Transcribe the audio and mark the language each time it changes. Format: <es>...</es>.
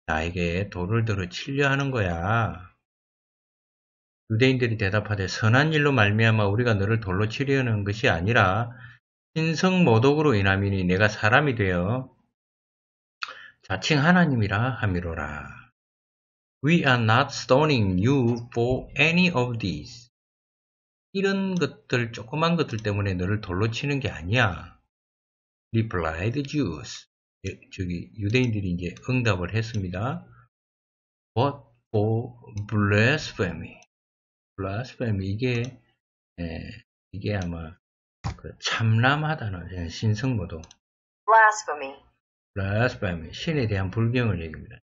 <ko>나에게 돌을 들어 치려 하는 거야. 유대인들이 대답하되 선한 일로 말미암아 우리가 너를 돌로 치려는 것이 아니라 신성 모독으로 인함이니 내가 사람이 되어 자칭 하나님이라 함이로라.</ko> <en>We are not stoning you for any of these.</en> <ko>이런 것들 조그만 것들 때문에 너를 돌로 치는 게 아니야.</ko> <en>Replied Jews.</en> <ko>저기 유대인들이 이제 응답을 했습니다.</ko> <en>But for blasphemy.</en> <ko>블라스페미 이게 예, 이게 아마 그 참람하다는 예, 신성모도 블라스페미 신에 대한 불경을 얘기합니다.</ko>